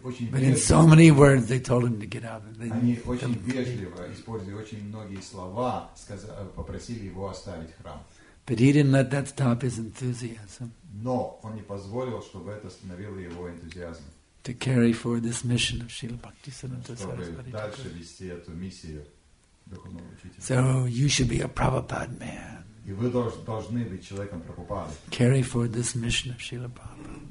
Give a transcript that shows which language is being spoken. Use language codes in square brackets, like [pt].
[en] But in so many words, they told him to get out. They [ru] очень вежливо, используя очень многие слова, попросили его оставить храм. [en] But he didn't let that stop his enthusiasm. [ru] Но он не позволил, чтобы это остановило его энтузиазм. [en] To carry forward this mission of Srila Bhaktisiddhanta Saraswati. [ru] Чтобы дальше вести эту миссию духовного учителя. [en] So you should be a Prabhupada man. [ru] И вы должны быть человеком Прабхупады. [en] Carry forward this mission of Srila Prabhupada.